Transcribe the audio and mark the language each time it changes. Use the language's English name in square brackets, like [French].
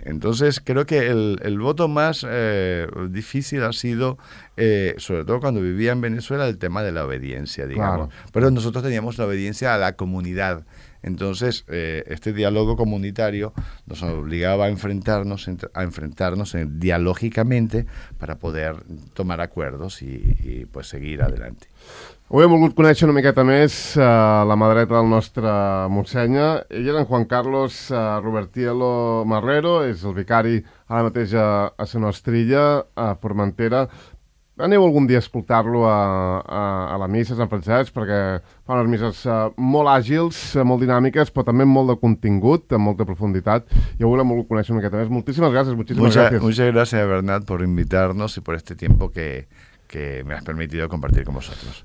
[Spanish] Entonces, creo que el voto más difícil ha sido, sobre todo cuando vivía en Venezuela, el tema de la obediencia, digamos. Claro. Pero nosotros teníamos la obediencia a la comunidad. Entonces, este diálogo comunitario nos obligaba a enfrentarnos dialógicamente para poder tomar acuerdos y pues seguir adelante. [Catalan] Avui hem volgut conèixer una miqueta més la mà dreta del nostre Montsenya. Ell era en Juan Carlos Robertielo Marrero, és el vicari ara mateix a Sa Nostrilla, a Formentera. Aneu algun dia a escoltar-lo a la missa, a Sant Francesc, perquè fa unes misses molt àgils, molt dinàmiques, però també molt de contingut, amb molta profunditat, i avui l'hem volgut conèixer una miqueta més. Moltíssimes gràcies, moltíssimes gràcies. [Spanish] Muchas gracias, Bernat, por invitarnos y por este tiempo que me has permitido compartir con vosotros.